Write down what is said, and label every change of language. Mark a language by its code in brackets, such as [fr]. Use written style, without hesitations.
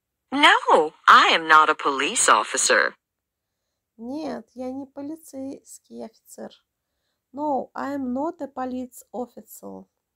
[en] No, I am not a police officer. [ru] Нет, я не полицейский офицер. [en] No, I am not a police officer.